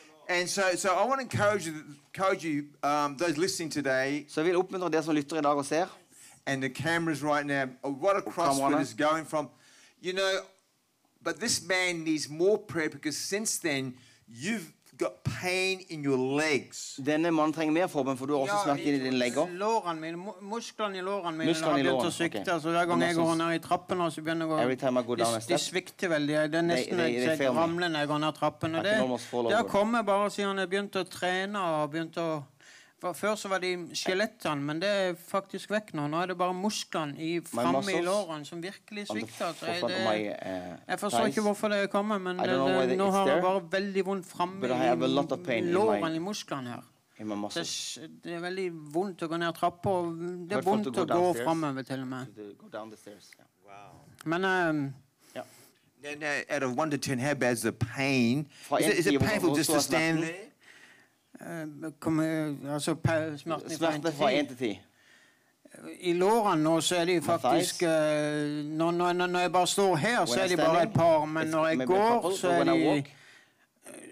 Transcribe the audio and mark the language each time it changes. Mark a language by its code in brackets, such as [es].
[en] And so I want to encourage you, those listening today. [no] Så jeg vil oppmuntre dere som lytter I dag og ser. [en] And the cameras right now, what a crossroad is going from. You know, but this man needs more prayer because since then you've got pain in your legs. [no] Denne mann trenger mer forbønn, for du har også smerte I din legger. Låren min, musklerne I låren min har begynt å svikte. Så hver gang jeg går ned I trappen, så begynner jeg å... [en] Every time I go down a step. [no] De svikter veldig. Det nesten jeg ramler når jeg går ned trappen. Og det har kommet bare siden jeg begynte å trene og begynte å... Før så var det skjelettene, men det faktisk vekk nå. Nå det bare musklerne I fremme I lårene som virkelig svikter. Jeg forstår ikke hvorfor det kommer, men nå har jeg bare veldig vondt fremme I lårene I musklerne her. Det veldig vondt å gå ned trapper, og det vondt å gå fremover til og med. Men... [en] Out of 1 to 10, how bad is the pain? Is it painful just to stand there? [no] Smerte fra 1 til 10 I låren nå så det faktisk når jeg bare står her så det bare et par men når jeg går så det 7-8